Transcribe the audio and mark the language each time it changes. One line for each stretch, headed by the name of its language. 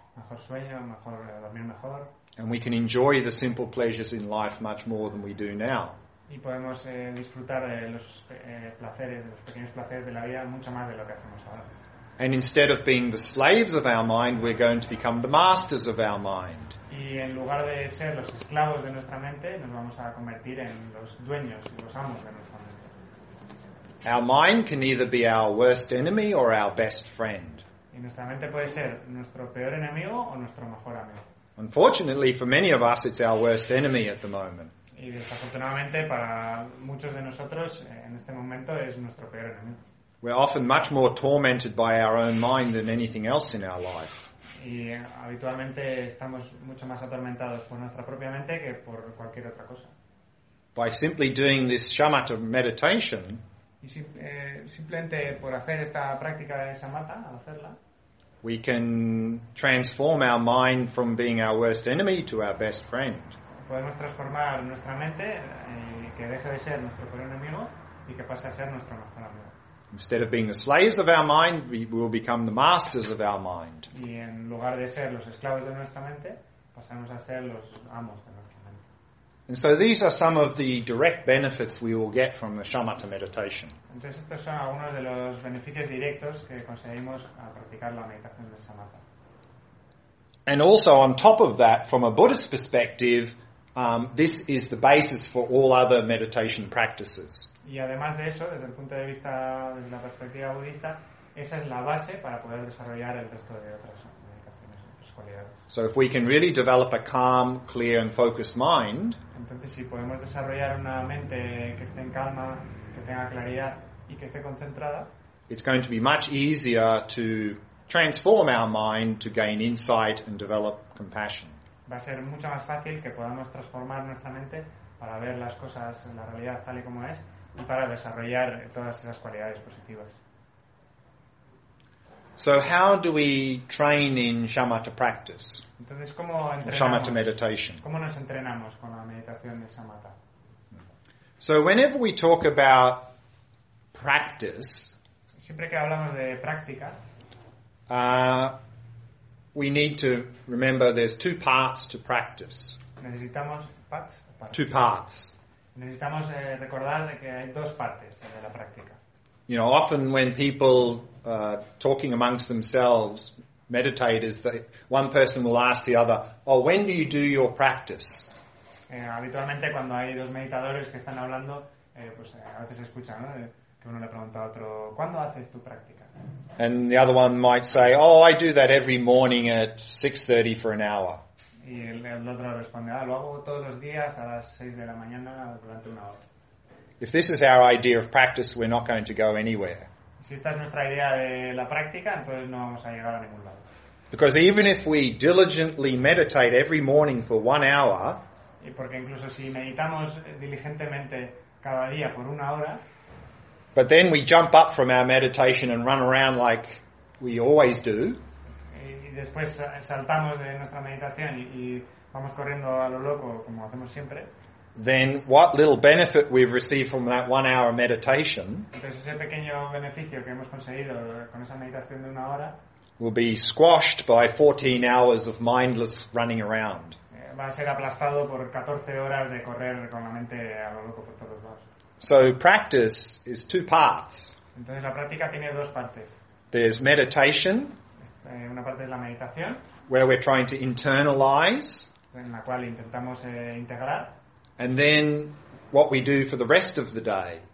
Spanish: Mejor sueño, mejor dormir mejor.
English: And we can enjoy the simple pleasures in life much more than we do now.
Spanish: Y podemos disfrutar de los placeres, de los pequeños placeres de la vida mucho más de lo que hacemos ahora.
English: And instead of being the slaves of our mind, we're going to become the masters of our mind.
Spanish: Y en lugar de ser los esclavos de nuestra mente, nos vamos a convertir en los dueños, los amos de nuestra mente.
English: Our mind can either be our worst enemy or our best friend.
Spanish: Y nuestra mente puede ser nuestro peor enemigo o nuestro mejor amigo.
English: Unfortunately, for many of us, it's our worst enemy at the moment.
Spanish: Y desafortunadamente para muchos de nosotros en este momento es nuestro peor enemigo.
English: We're often much more tormented by our own mind than anything else in our life.
Spanish: Y habitualmente estamos mucho más atormentados por nuestra propia mente que por cualquier otra cosa.
English: By simply doing this shamatha meditation,
Spanish: y simplemente por hacer esta práctica de shamatha, hacerla,
English: we can transform our mind from being our worst enemy to our best friend.
Spanish: Podemos transformar nuestra mente que deje de ser nuestro peor enemigo y que pase a ser nuestro mejor amigo.
English: Instead of being the slaves of our mind, we will become the masters of our mind.
Spanish: Y en lugar de ser los esclavos de nuestra mente, pasamos a ser los amos de nuestra mente.
English: And so these are some of the direct benefits we will get from the shamatha meditation.
Spanish: Entonces estos son algunos de los beneficios directos que conseguimos al practicar la meditación de shamatha.
English: And also on top of that, from a Buddhist perspective, this is the basis for all other meditation practices.
Spanish: Y además de eso, desde el punto de vista, desde la perspectiva budista, esa es la base para poder desarrollar el resto de otras meditaciones, otras cualidades.
English: So if we can really develop a calm, clear and focused mind,
Spanish: entonces si podemos desarrollar una mente que esté en calma, que tenga claridad y que esté concentrada,
English: it's going to be much easier to transform our mind to gain insight and develop compassion.
Spanish: Va a ser mucho más fácil que podamos transformar nuestra mente para ver las cosas, la realidad tal y como es, y para desarrollar todas esas cualidades positivas.
English: So how do we train in shamatha practice?
Spanish: Entonces, ¿cómo entrenamos?
English: Shamatha meditation.
Spanish: ¿Cómo nos entrenamos con la meditación de shamatha?
English: So whenever we talk about practice,
Spanish: siempre que hablamos de práctica,
English: We need to remember there's two parts to practice.
Spanish: Necesitamos
English: parts, parts. Two parts.
Spanish: Necesitamos recordar que hay dos partes de la práctica.
English: You know, often when people talking amongst themselves, meditators, that one person will ask the other, "Oh, when do you do your practice?"
Spanish: Habitualmente cuando hay dos meditadores que están hablando, pues a veces escuchan, ¿no? Que uno le pregunta a otro, "¿Cuándo haces tu práctica?"
English: And the other one might say, "Oh, I do that every morning at 6:30 for an hour."
Spanish: Y el otro responde, "Ah, lo hago todos los días a las 6 de la mañana durante una hora."
English: If this is our idea of practice, we're not going to go anywhere.
Spanish: Si esta es nuestra idea de la práctica, entonces no vamos a llegar a ningún lado.
English: Because even if we diligently meditate every morning for 1 hour,
Spanish: y porque incluso si meditamos diligentemente cada día por una hora,
English: but then we jump up from our meditation and run around like we always do,
Spanish: y después saltamos de nuestra meditación y vamos corriendo a lo loco como hacemos siempre,
English: then what little benefit we've received from that 1 hour meditation,
Spanish: entonces ese pequeño beneficio que hemos conseguido con esa meditación de una hora,
English: will be squashed by 14 hours of mindless running around.
Spanish: Va a ser aplastado por 14 horas de correr con la mente a lo loco por todos lados.
English: So practice is two parts.
Spanish: Entonces la práctica tiene dos partes.
English: There's meditation,
Spanish: una parte es la meditación,
English: where we're trying to internalize,
Spanish: en la cual intentamos integrar.
English: And then what we do for the rest of the day.